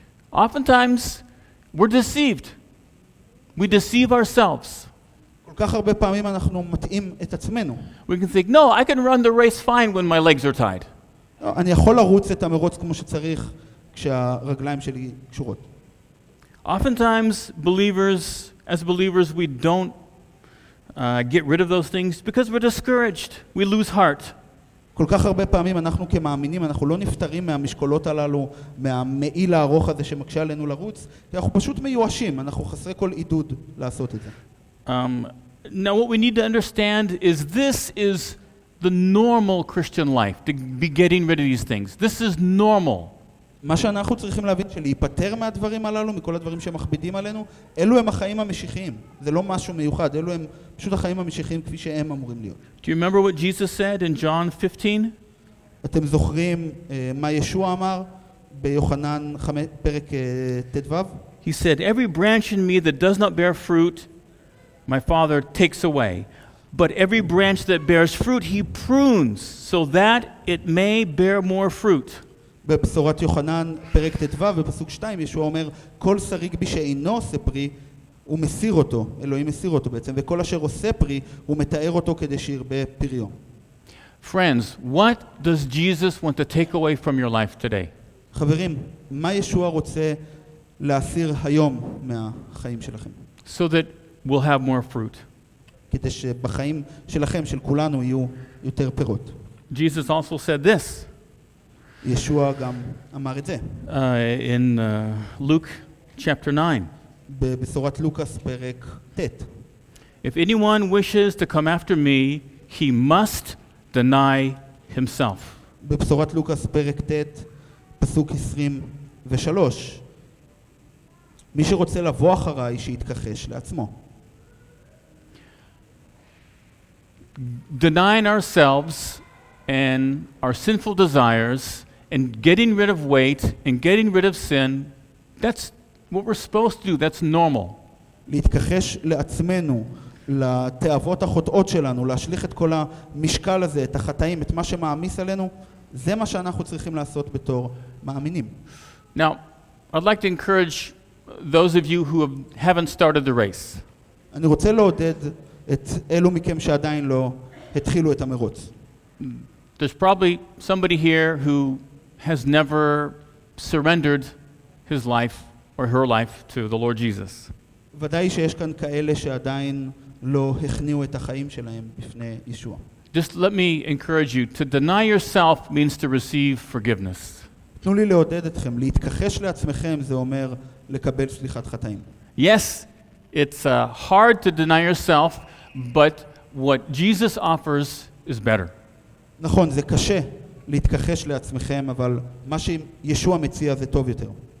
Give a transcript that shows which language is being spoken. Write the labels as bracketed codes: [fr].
[en] Oftentimes, we're deceived. We deceive ourselves. We can think, "No, I can run the race fine when my legs are tied." [he] אני יכול לרוץ את המרוץ כמו שצריך כשהרגליים שלי קשורות. [en] Oftentimes, as believers, we don't get rid of those things because we're discouraged. We lose heart. [he] כל כך הרבה פעמים אנחנו כמאמינים, אנחנו לא נפטרים מהמשקולות הללו, מהמעיל הארוך הזה שמקשה עלינו לרוץ, כי אנחנו פשוט מיואשים, אנחנו חסרי כל עידוד לעשות את זה. [en] Now what we need to understand is this is the normal Christian life, to be getting rid of these things. This is normal. [he] מה שאנחנו צריכים להבין, שלהיפטר מהדברים הללו, מכל הדברים שמכבידים עלינו, אלו הם החיים המשיחיים. זה לא משהו מיוחד, אלו הם פשוט החיים המשיחיים כפי שהם אמורים להיות. [en] Do you remember what Jesus said in John 15? [he] אתם זוכרים מה ישוע אמר ביוחנן פרק ט"ו? [en] He said, "Every branch in me that does not bear fruit, my Father takes away. But every branch that bears fruit, he prunes, so that it may bear more fruit." [he] בבשורת יוחנן פרק ט"ו ופסוק 2 ישוע אומר כל שריג בי שאינו עושה פרי הוא מסיר אותו, אלוהים מסיר אותו בעצם, וכל אשר עושה פרי הוא מתאר אותו כדי שירבה פריו. [en] Friends, what does Jesus want to take away from your life today? [he] חברים, מה ישוע רוצה להסיר היום מהחיים שלכם? [en] So that we'll have more fruit. [he] כדי שבחיים שלכם, של כולנו, יהיו יותר פירות. [en] Jesus also said this. [he] ישוע גם אמר את זה. [en] In Luke chapter 9. [he] בבשורת לוקס פרק ט. [en] If anyone wishes to come after me, he must deny himself. [he] בבשורת לוקס פרק ט, פסוק 23. מי שרוצה לבוא אחריי, שיתכחש לעצמו. [en] Denying ourselves and our sinful desires and getting rid of weight and getting rid of sin, that's what we're supposed to do. That's normal. [he] להתכחש לעצמנו, לתאוות החוטאות שלנו, להשליך את כל המשקל הזה, את החטאים, את מה שמאמיס עלינו, זה מה שאנחנו צריכים לעשות בתור מאמינים. [en] Now, I'd like to encourage those of you who haven't started the race. [he] אני רוצה לעודד את אלו מכם שעדיין לא התחילו את המרוץ. [en] There's probably somebody here who has never surrendered his life or her life to the Lord Jesus. [he] ודאי שיש כאן כאלה שעדיין לא הכניעו את החיים שלהם בפני ישוע. [en] Just let me encourage you, to deny yourself means to receive forgiveness. [he] תנו לי לעודד אתכם, להתכחש לעצמכם זה אומר לקבל סליחת חטאים. [en] Yes, it's hard to deny yourself, but what Jesus offers is better. [he] נכון, זה קשה להתכחש לעצמכם, אבל מה שישוע מציע זה טוב יותר.